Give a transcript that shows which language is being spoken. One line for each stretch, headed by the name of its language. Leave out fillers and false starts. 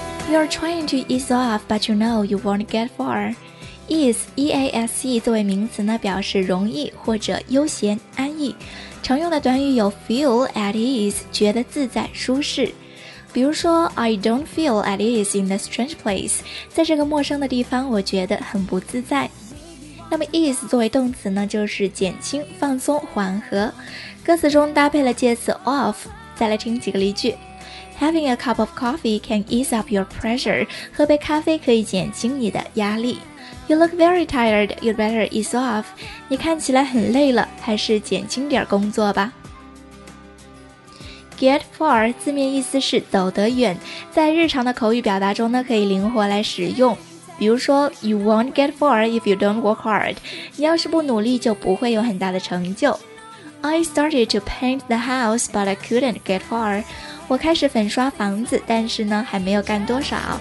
English: You're trying to ease off, but you know you won't get far.
Chinese: Ease, E-A-S-E, 作为名词呢，表示容易或者悠闲、安逸。常用的短语有
English: feel at ease,
Chinese: 觉得自在、舒适。比如说
English: I don't feel at ease in the strange place.
Chinese: 在这个陌生的地方，我觉得很不自在。那么 ease 作为动词呢，就是减轻、放松、缓和。歌词中搭配了介词 off, 再来听几个例句。
English: Having a cup of coffee can ease up your pressure.
Chinese: 喝杯咖啡可以减轻你的压力。
English: You look very tired, you'd better ease off.
Chinese: 你看起来很累了，还是减轻点工作吧。 Get far, 字面意思是走得远，在日常的口语表达中呢，可以灵活来使用。比如说
English: You won't get far if you don't work hard.
Chinese: 你要是不努力，就不会有很大的成就。
English: I started to paint the house, but I couldn't get far.
Chinese: 我开始粉刷房子，但是呢，还没有干多少。